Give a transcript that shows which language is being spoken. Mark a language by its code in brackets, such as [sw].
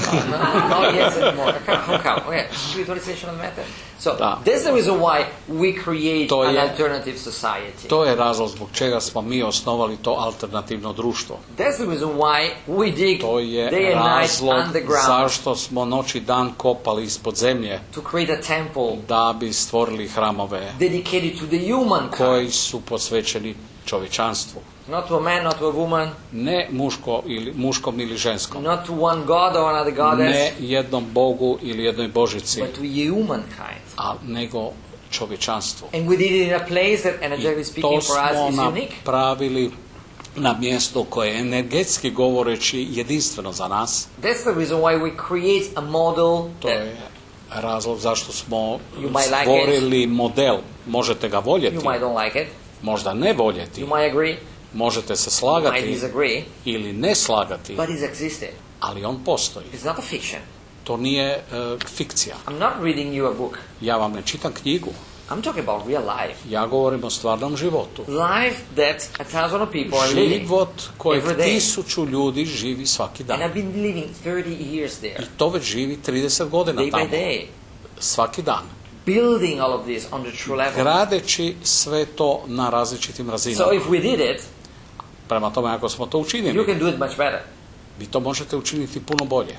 [en] Oh, no. Oh, yes, spiritualization of the matter. So, this is the reason why we create an alternative society. [hr] To je razlog zbog čega smo mi osnovali to alternativno društvo. [en] That's the reason why we dig day and night underground. [hr] Zašto smo noć i dan kopali ispod zemlje. [en] To create a temple. [hr] Da bi stvorili hramove. [en] Dedicated to the human. [hr] Koji su posvećeni čovječanstvu. [en] Not to a man, not to a woman. [hr] Ne muško ili, muškom ili ženskom. [en] Not to one god or another goddess. [hr] Ne jednom bogu ili jednoj božici. [en] But to a humankind. [hr] A nego čovječanstvo. [en] And we did it in a place that energetically speaking for us is unique. [hr] I to smo napravili na mjesto koje je energetski govoreći jedinstveno za nas. [en] That's the reason why we create a model. [hr] To je razlog zašto smo stvorili model. Možete ga voljeti. [en] You might don't like it. [hr] Možda ne voljeti. [en] You might agree. [hr] Možete se slagati [en] disagree, [hr] ili ne slagati, [en] but it's existed. [hr] Ali on postoji. [en] It's not a fiction. [hr] To nije fikcija. [en] I'm not reading you a book. [hr] Ja vam ne čitam knjigu. [en] I'm talking about real life. [hr] Ja govorim o stvarnom životu. [en] Life that a thousand of people are living. [hr] Život kojeg tisuću ljudi živi svaki dan. [en] And I've been living 30 years there. [hr] I to već živi 30 godina [en] day [hr] tamo. [en] By day. [hr] Svaki dan. [en] Building all of this on the true level. [hr] Gradeći sve to na različitim razinama. [en] So if we did it, [hr] Prema tome, ako smo to učinili, [en] you can do it much better. [hr] Vi to možete učiniti puno bolje.